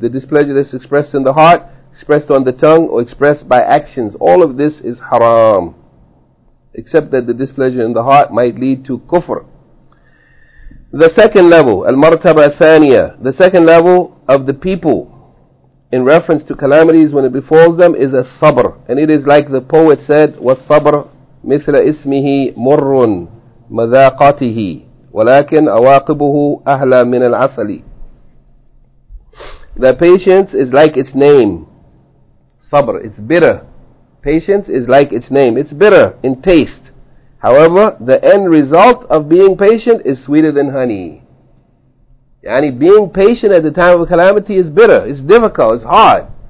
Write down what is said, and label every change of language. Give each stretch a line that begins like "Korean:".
English: The displeasure that's expressed in the heart, expressed on the tongue, or expressed by actions. All of this is haram. Except that the displeasure in the heart might lead to kufr. The second level, al-martaba al-thaniya, the second level of the people, in reference to calamities when it befalls them, is a sabr. And it is like the poet said,
Arabic: وَالصَّبْرْ مِثْلَ إِسْمِهِ مُرٌّ مَذَاقَتِهِ وَلَكِنْ أَوَاقِبُهُ أَهْلَ مِنَ الْعَسَلِ.
English: The patience is like its name. Sabr, it's bitter. Patience is like its name. It's bitter in taste. However, the end result of being patient is sweeter than honey. Yani being patient at the time of a calamity is bitter. It's difficult. It's hard.